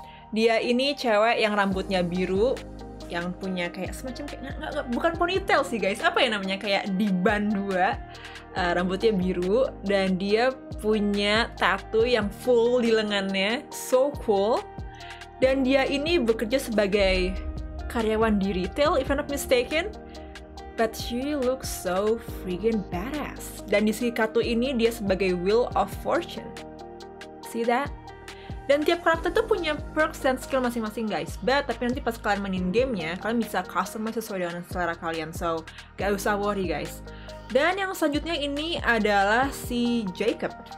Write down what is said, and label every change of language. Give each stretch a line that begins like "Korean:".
Indonesian: Dia ini cewek yang rambutnya biru, yang punya kayak semacam kayak bukan ponytail sih guys, apa ya namanya, kayak di band 2. Rambutnya biru dan dia punya tato yang full di lengannya, so cool. Dan dia ini bekerja sebagai karyawan di retail, if I'm not mistaken.
English: but she looks so freaking badass.
Indonesian: Dan di si kartu ini dia sebagai Wheel of Fortune. See that? Dan tiap karakter tuh punya perks dan skill masing-masing guys. But tapi nanti pas kalian mainin gamenya, kalian bisa customize sesuai dengan selera kalian. So, gak usah worry guys. Dan yang selanjutnya ini adalah si Jacob.